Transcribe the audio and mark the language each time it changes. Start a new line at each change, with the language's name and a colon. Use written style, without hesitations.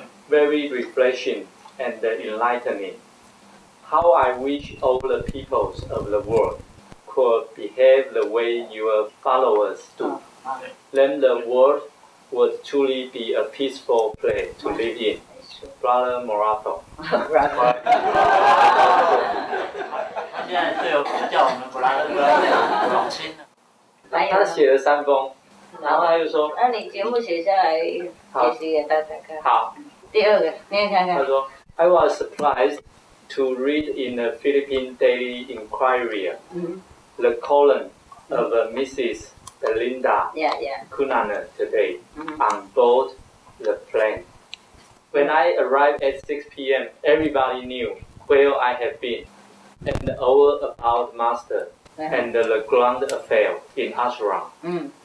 English: Very refreshing and enlightening. How I wish all the peoples of the world could behave the way your followers do. Then the world would truly be a peaceful place to live in. Brother Morato，哈哈哈哈哈哈！
Chinese: 他现在就叫我们布拉德老亲了。他写了三封，然后他就说：“ 那你节目写下来，解析给大家看。” 好，第二个，你也看看。他说
English: ：“I was surprised to read in the Philippine Daily Inquirer the column of Mrs. Belinda Cunanan today on board the plane.” When I arrived at 6 p.m., everybody knew where I had been and all about Master and the grand affair in Ashram.